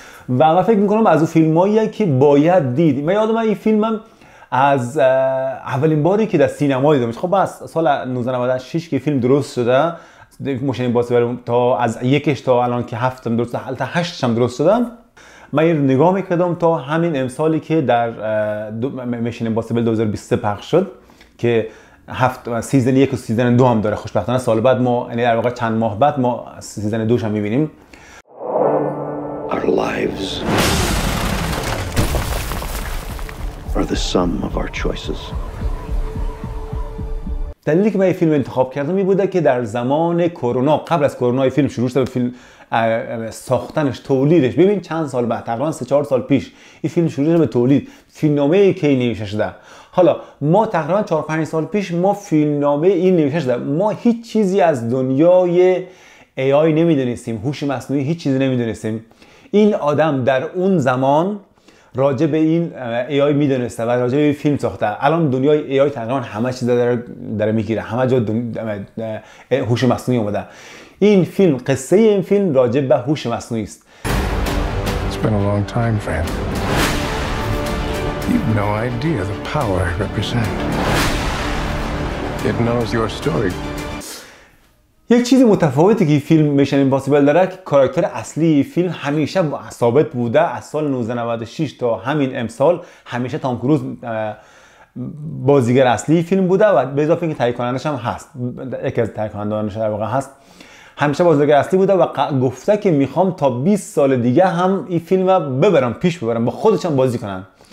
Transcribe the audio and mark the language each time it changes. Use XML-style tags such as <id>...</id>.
<fa>و من فکر میکنم از اون فیلمایی که باید دید. من یادم این فیلمم از اولین باری که در سینما دیدم، خب از سال 1996 که فیلم درست شده، موشن امپاسیبل تا از یکش تا الان که هفتم درست، حتی هشتم درست شده، من این رو نگاه میکردم تا همین امسالی که در موشن امپاسیبل 2023 پخش شد که هفت سیزن یک و سیزن دو هم داره، خوشبختانه سال بعد ما، یعنی در واقع چند ماه بعد ما سیزن دوش هم میبینیم.</fa> <en>Our lives are the sum of our choices.</en> <fa>دلیلی که من این فیلم انتخاب کردم این بوده که در زمان کرونا، قبل از کرونا این فیلم شروع شده به فیلم ساختنش، تولیدش. ببین چند سال بعد، تقریبا 3-4 سال پیش این فیلم شروع شده به تولید، فیلمنامه کی نوشته شده. حالا ما تقریبا 4-5 سال پیش ما فیلمنامه این نوشته شده، ما هیچ چیزی از دنیای AI نمیدونستیم، هوش مصنوعی هیچ چیزی نمیدونستیم. این آدم در اون زمان راجع به این AI میدونسته و راجع به فیلم ساخته. الان دنیای AI تقریبا همه چیز داره میگیره، همه جا هوش مصنوعی اومده. این فیلم، قصه این فیلم راجع به هوش مصنوعی است.</fa> <en>It's been a long time, fam. You've no idea the power I represent. It knows your story.</en> <fa>یک چیزی متفاوتی که فیلم میشن امپاسیبل داره که کاراکتر اصلی فیلم همیشه ثابت بوده، از سال 1996 تا همین امسال همیشه تام کروز بازیگر اصلی فیلم بوده و به اضافه اینکه تهیه کنندش هم هست، یکی از تهیه کنندانش در واقع هست، همیشه بازیگر اصلی بوده و گفته که میخوام تا 20 سال دیگه هم این فیلم رو ببرم، پیش ببرم، با خودش هم بازی کنن.</fa>